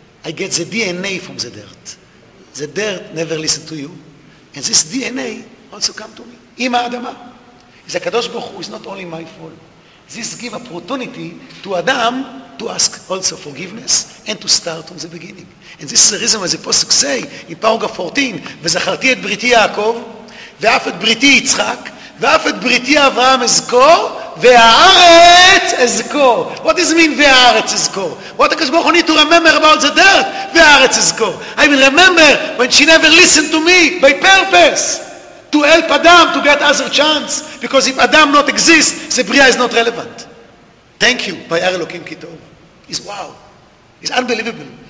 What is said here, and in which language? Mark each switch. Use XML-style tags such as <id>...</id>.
<en>I get the DNA from the dirt. The dirt never listen to you. And this DNA also come to me. Ima Adama. HaKadosh Baruch Hu is not only my fault. This give opportunity to Adam to ask also forgiveness and to start from the beginning. And this is the reason why the Pasuk say in paragraph 14,</en> <he>וזכרתי את בריתי יעקב, ואף את בריתי יצחק, ואף את בריתי אברהם אזכור, והארץ אזכור.</he> <en>What does it mean,</en> <he>והארץ אזכור?</he> <en>What does God need to remember about the dirt? והארץ אזכור. I will remember when she never listened to me by purpose. To help Adam to get other chance. Because if Adam not exist, the Bria is not relevant. Thank you, by our Elohim Kitov. It's wow. It's unbelievable.</en>